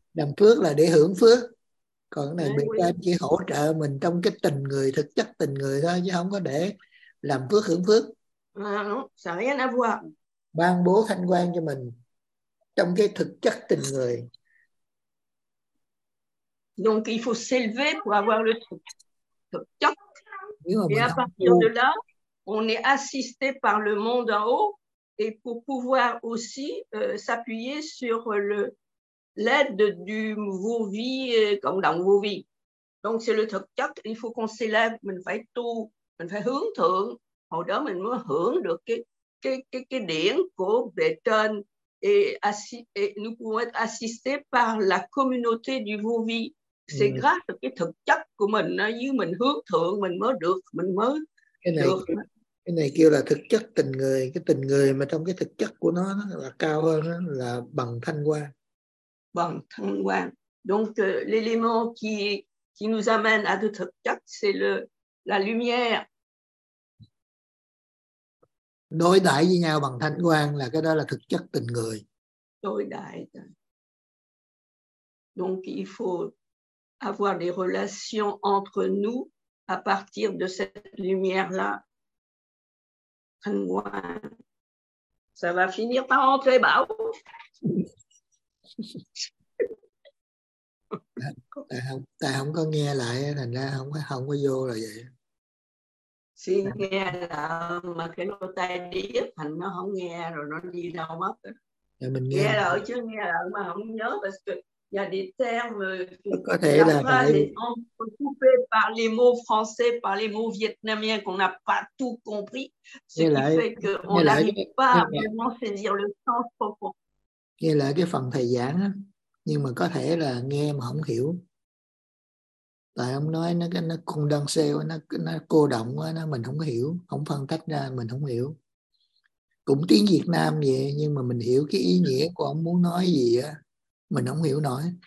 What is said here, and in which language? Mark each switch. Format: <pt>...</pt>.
<vi>Làm phước là để hưởng phước. Còn cái này mình chỉ hỗ trợ mình trong cái tình người, thực chất tình người thôi, chứ không có để làm phước hưởng phước. Không có làm phước. Ban bố thanh quang cho mình trong cái thực chất tình người.</vi> <fr>Donc il faut s'élever pour avoir le thực chất. Et à partir de là, on est assisté par le monde en haut et pour pouvoir aussi s'appuyer sur l'aide du vos vies comme dans vos vies. Donc c'est le</fr> <vi>thực chất,</vi> <fr>il faut qu'on s'élève,</fr> <vi>mình phải tu, mình phải hướng thượng, hồi đó mình mới hưởng được cái điển của bề trên</vi> <fr>et nous pouvons être assistés par la communauté du vô vi. C'est grâce à</fr> <vi>cái thực chất của mình như mình hướng thượng mình mới cái này kêu là thực chất tình người. Cái tình người mà trong cái thực chất của nó là cao hơn đó, là bằng thanh quang. Bằng thanh quang.</vi> <fr>Donc l'élément qui nous amène à</fr> <vi>cái thực chất</vi> <fr>c'est la lumière.</fr> <vi>Đối đãi với nhau bằng thanh quang là cái đó là thực chất tình người. Đối đãi.</vi> <fr>Donc il faut avoir des relations entre nous à partir de cette lumière là thanh quang. Ça va finir par entrer bao.</fr> <vi>Tại không có nghe lại thành ra không có vô rồi vậy. Si nghe là mà cái lỗ tai điếc thành nó không nghe rồi nó đi đâu mất. Mình nghe là ở chứ nghe là mà không nhớ và đi theo có thể là</vi> <fr>on peut couper par les mots français par les mots vietnamiens qu'on n'a pas tout compris ce qui fait que on n'arrive pas vraiment saisir le sens profond.</fr> <vi>Nghe lại cái phần thầy giảng á, nhưng mà có thể là nghe mà không hiểu. Tại ông nói nó cũng đơn sơ, nó cô động quá, mình không hiểu, không phân tách ra, mình không hiểu. Cũng tiếng Việt Nam vậy, nhưng mà mình hiểu cái ý nghĩa của ông muốn nói gì á, mình không hiểu nổi.</vi>